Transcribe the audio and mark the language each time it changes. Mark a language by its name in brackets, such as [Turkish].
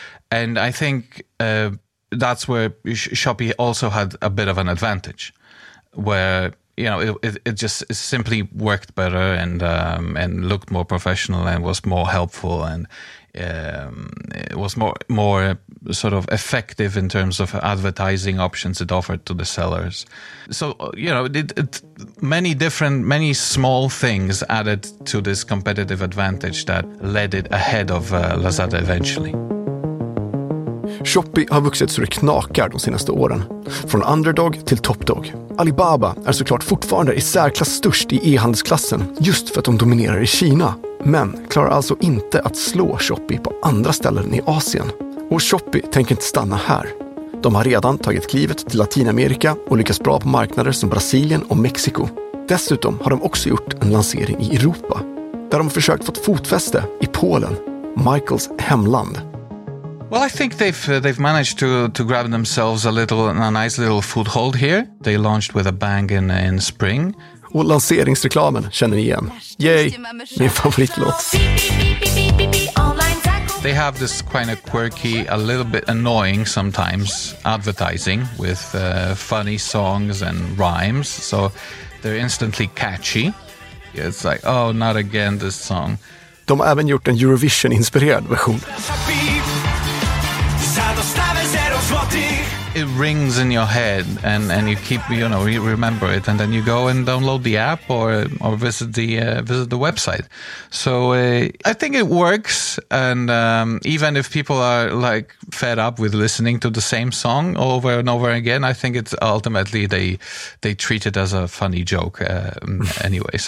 [English] And I think that's where Shopee also had a bit of an advantage, where, you know, it simply worked better and looked more professional and was more helpful, and it was more sort of effective in terms of advertising options it offered to the sellers. So, you know, many small things added to this competitive advantage that led it ahead of Lazada eventually. [Swedish] Shopee har vuxit så det knakar de senaste åren. Från underdog till topdog. Alibaba är såklart fortfarande i särklass störst i e-handelsklassen, just för att de dominerar i Kina. Men klarar alltså inte att slå Shopee på andra ställen i Asien. Och Shopee tänker inte stanna här. De har redan tagit klivet till Latinamerika och lyckats bra på marknader som Brasilien och Mexiko. Dessutom har de också gjort en lansering i Europa, där de har försökt få ett fotfäste i Polen, Michaels hemland. [English] Well, I think they've managed to grab themselves a nice little foothold here. They launched with a bang in spring. [Swedish] Och lanseringsreklamen känner ni igen. Yay! Min favoritlåt. [English] They have this kind of quirky, a little bit annoying sometimes advertising with funny songs and rhymes. So they're instantly catchy. It's like, oh, not again this song. [Swedish] De har även gjort en Eurovision-inspirerad version. [English] It rings in your head and you keep, you know, you remember it, and then you go and download the app or visit the website. So I think it works, and even if people are like fed up with listening to the same song over and over again, I think it's ultimately they treat it as a funny joke anyway.